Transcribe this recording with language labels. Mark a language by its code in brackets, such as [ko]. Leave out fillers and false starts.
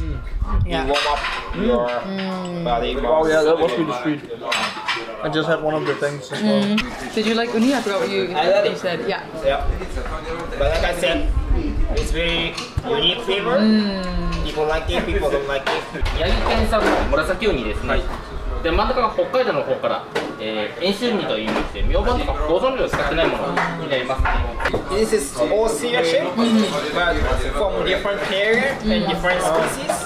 [en] You warm up your body. Oh yeah, that was really sweet. I just had one of the things as well. Did you like uni? I forgot what you said. I love it. Yeah. Yeah. But like I said, it's very unique flavor. People like it, people don't like it. [ja] Yagi Ken san, Murasaki uni desu. で、真ん中が北海道の方から、遠州にという意味で、ミョウバンとかご存料を使ってないものになります。 [en] This is all sea urchin, but from different area and different species.